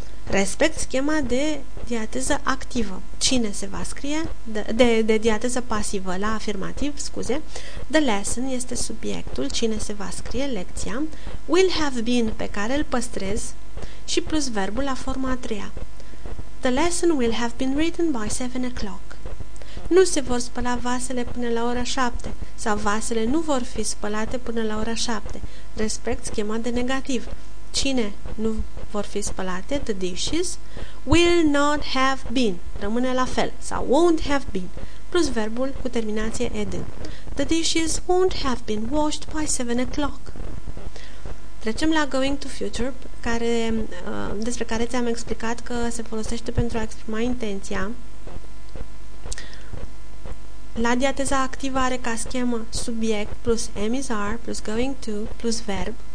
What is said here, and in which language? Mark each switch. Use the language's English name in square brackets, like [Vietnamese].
[Romanian] Respect schema de diateză activă. Cine se va scrie? De diateză pasivă la afirmativ, scuze. [English] The lesson [Romanian] este subiectul, cine se va scrie lecția. [English] Will have been [Romanian] pe care îl păstrez și plus verbul la forma a treia. [English] The lesson will have been written by 7 o'clock. [Romanian] Nu se vor spăla vasele până la ora 7 sau vasele nu vor fi spălate până la ora 7. Respect schema de negativ. Cine nu vor fi spălate? [English] The dishes will not have been. [Romanian] Rămâne la fel. Sau [English] won't have been. [Romanian] Plus verbul cu terminație ed. [English] The dishes won't have been washed by 7 o'clock. [Romanian] Trecem la going to future, despre care ți-am explicat că se folosește pentru a exprima intenția. La diateza activă are ca schemă subiect plus am is are plus going to plus verb.